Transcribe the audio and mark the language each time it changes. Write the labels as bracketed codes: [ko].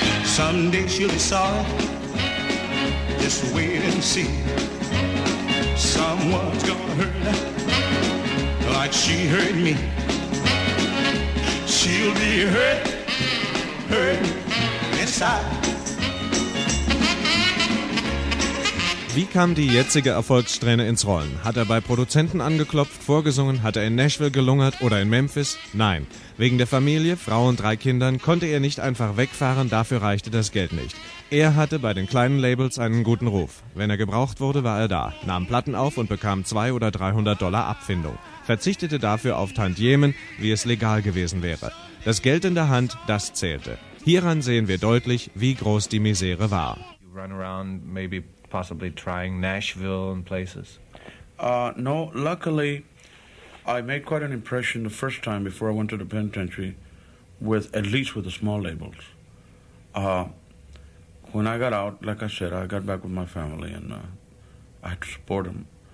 [en] Someday she'll be sorry. Just wait and see. Someone's gonna hurt her like she hurt me. She'll be hurt, hurt inside. [de] Wie kam die jetzige Erfolgssträhne ins Rollen? Hat er bei Produzenten angeklopft, vorgesungen, hat er in Nashville gelungert oder in Memphis? Nein. Wegen der Familie, Frau und drei Kindern konnte er nicht einfach wegfahren, dafür reichte das Geld nicht. Er hatte bei den kleinen Labels einen guten Ruf. Wenn er gebraucht wurde, war er da, nahm Platten auf und bekam $200 oder $300 Abfindung. Verzichtete dafür auf Tantiemen, wie es legal gewesen wäre. Das Geld in der Hand, das zählte. Hieran sehen wir deutlich, wie groß die Misere war. [en] You run around, maybe possibly trying Nashville and places? No, luckily I made quite an impression the first time before I went to the penitentiary with at least with the small labels. When I got out, like I said, I got back with my family and I had to support them.